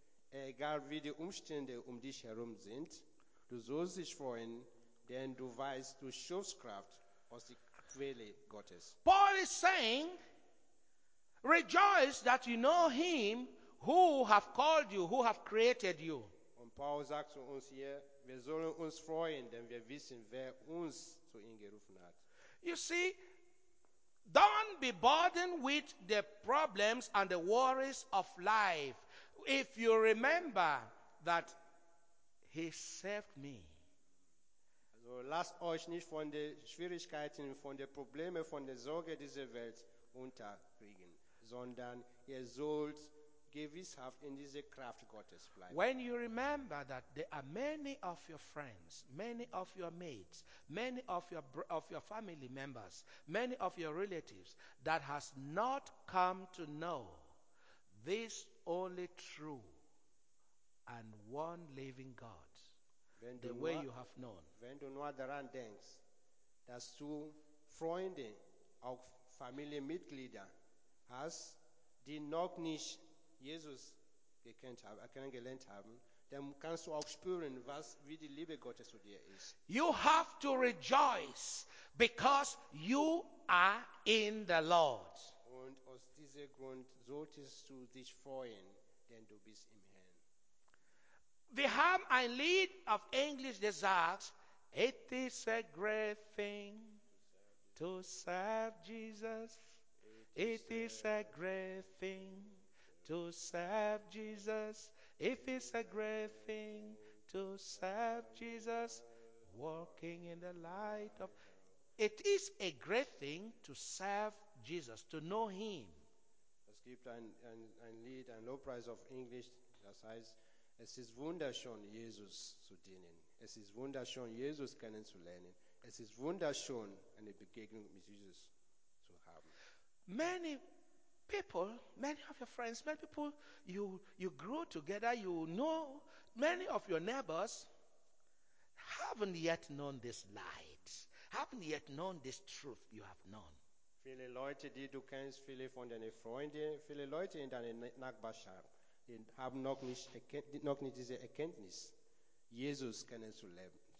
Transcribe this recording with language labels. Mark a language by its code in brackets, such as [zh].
[de] Egal wie die Umstände um dich herum sind, du sollst dich freuen, denn du weißt, du schöpfst Kraft aus der Quelle Gottes. [en] Paul is saying, rejoice that you know him who have called you, who have created you. [de] Und Paul sagt zu uns hier, wir sollen uns freuen, denn wir wissen, wer uns zu ihm gerufen hat. [en] You see, don't be burdened with the problems and the worries of life. If you remember that he saved me. [de] Also lasst euch nicht von den Schwierigkeiten, von den Problemen, von der Sorge dieser Welt unterkriegen, sondern ihr sollt gewisshaft in diese Kraft Gottes bleiben. [en] When you remember that there are many of your friends, many of your mates, many of your family members, many of your relatives that has not come to know this only true and one living God, the way you have known. [de] Wenn du nur daran denkst, dass du Freunde auch Familienmitglieder hast, die noch nicht Jesus gekannt haben, kennengelernt haben, dann kannst du auch spüren, was wie die Liebe Gottes zu dir ist. [en] You have to rejoice because you are in the Lord. [de] Und aus diesem Grund solltest du dich freuen, denn du bist im Herrn. Wir haben ein Lied auf Englisch, das sagt, [en] it is a great thing to serve Jesus. It is a great thing to serve Jesus. If it's a great thing to serve Jesus, walking in the light of... It is a great thing to serve Jesus, to know him. [de] Es gibt ein Lied, ein Lobpreis auf Englisch, das heißt, es ist wunderschön, Jesus zu dienen. Es ist wunderschön, Jesus kennenzulernen. Es ist wunderschön, eine Begegnung mit Jesus zu haben. [en] Many of your friends, many people you grew together, you know, many of your neighbors haven't yet known this light, haven't yet known this truth you have known. [de] Viele Leute, die du kennst, viele von deinen Freunden, viele Leute in deiner Nachbarschaft, die haben noch nicht diese Erkenntnis, Jesus kennenzulernen.